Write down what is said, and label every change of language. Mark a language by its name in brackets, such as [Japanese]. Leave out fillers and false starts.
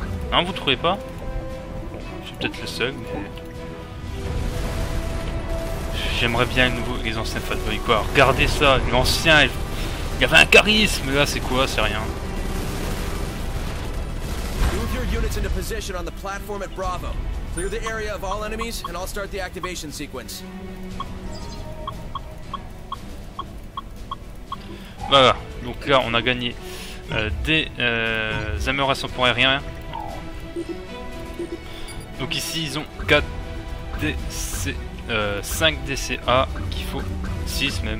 [French] Non, vous trouvez pas? Je suis peut-être le seul, mais... J'aimerais bien les anciens fatboys. Quoi. Regardez ça, l'ancien... Il y avait un charisme, là c'est quoi, c'est rien. [English] Move your units into position on the platform at Bravo. Clear the area of all enemies and I'll start the activation sequence. [French] Voilà, donc là on a gagné des améliorations pour aérien. Donc ici ils ont 4 DC, 5 DCA qu'il faut 6 même.